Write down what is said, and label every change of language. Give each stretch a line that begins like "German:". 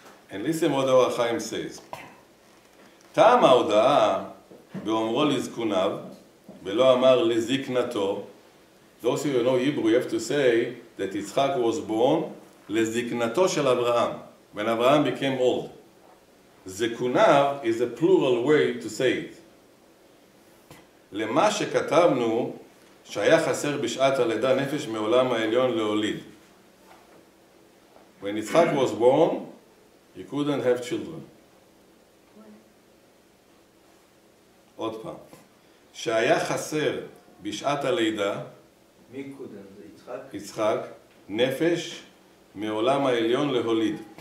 English: And listen what Or HaChaim says.
Hebrew: Tam ha'odaa be'omro lizkunav, be'lo amar lezikna'to.
English: Those who know Hebrew, you have to say that Yitzchak was born lezikna'to shel Abraham, when Abraham became old. Zekunav is a plural way to say it.
Hebrew: למה שכתבנו שהיה חסר בשעת הלידה נפש מעולם העליון להוליד.
English: When Yitzchak was born, he couldn't have children.
Hebrew: עוד פעם. שהיה חסר בשעת הלידה, מי קודם? זה יצחק? יצחק, נפש מעולם העליון להוליד.